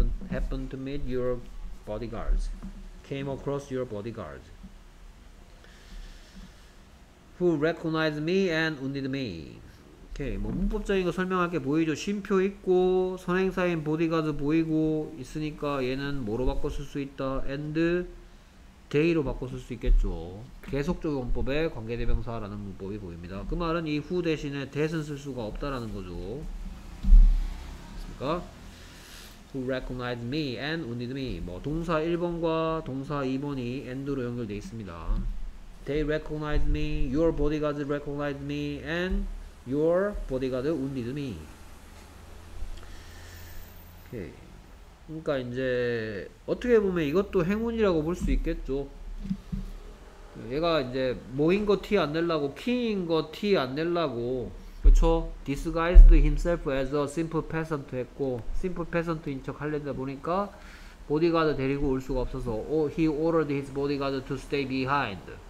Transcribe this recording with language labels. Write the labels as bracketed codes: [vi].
[en] happened to meet your bodyguards came across your bodyguards who recognized me and wounded me. [ko] 오케이. 뭐 문법적인 거 설명할 게 보이죠. 쉼표 있고 선행사인 보디가드 보이고 있으니까 얘는 뭐로 바꿔 쓸 수 있다? and they로 바꿔 쓸 수 있겠죠. 계속적 용법에 관계대명사라는 문법이 보입니다. 그 말은 이 who 대신에 that은 쓸 수가 없다라는 거죠. 됐습니까? [en] who recognized me and wounded me. [ko] 뭐 동사 1번과 동사 2번이 and로 연결되어 있습니다. [en] They recognize me, your bodyguards recognize me, and your bodyguard wounded me. Okay. [ko] 그러니까 이제 어떻게 보면 이것도 행운이라고 볼 수 있겠죠. 얘가 이제 뭐인 거 티 안 내려고, 킹인 거 티 안 내려고, 그쵸? [en] disguised himself as a simple peasant 했고, simple peasant [ko] 인 척 하려다 보니까 [en] bodyguard [ko] 데리고 올 수가 없어서 [en] he ordered his bodyguard to stay behind.